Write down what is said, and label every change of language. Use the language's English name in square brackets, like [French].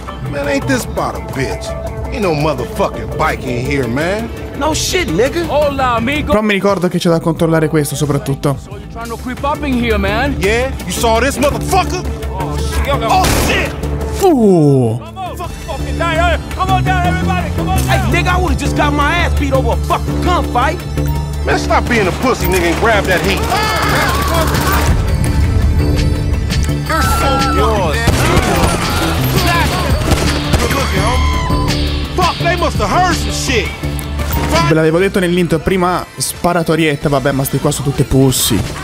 [English] Man, ain't this about a bitch. Ain't no motherfucking bike in here, man. No shit, nigga. [Spanish] Hola, amigo. [Italian] Però mi ricordo che c'è da controllare questo, soprattutto. [English] Yeah, you saw this motherfucker? Oh, shit! Fuuu! Hey, nigga, I would've just got my ass beat over a fucking gunfight. Man, stop being a pussy, nigga, and grab that heat. You're so yours. Fuck, they must've heard some shit. [Italian] Ve l'avevo detto nell'intro, prima sparatorietta, vabbè, ma sti qua sono tutte pussy.